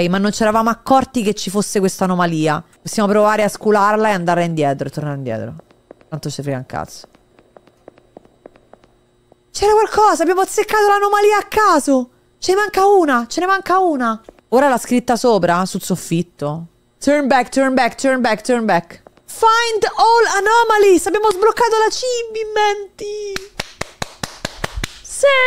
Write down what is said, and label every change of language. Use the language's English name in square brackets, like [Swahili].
[Italian] Ma non ci eravamo accorti che ci fosse questa anomalia. Possiamo provare a scularla e andare indietro. E tornare indietro. Tanto ci frega un cazzo. C'era qualcosa. Abbiamo azzeccato l'anomalia a caso. Ce ne manca una. Ce ne manca una. Ora l'ha scritta sopra, sul soffitto. [English] Turn back, turn back, turn back, turn back. Find all anomalies. [Italian] Abbiamo sbloccato la cibi, menti. Sì.